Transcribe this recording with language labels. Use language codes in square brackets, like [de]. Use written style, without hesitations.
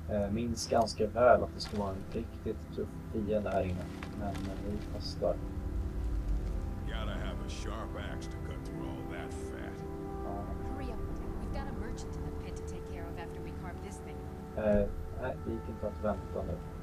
[sv] Minns ganska väl att det ska vara en riktigt tuff fiende här inne, men vi passar. [en] Gotta have a sharp axe to cut through all that fat. Hurry up, we've got a merchant in the pit to take care of after we carve this thing. [sv] Nej, vi gick inte att vänta nu.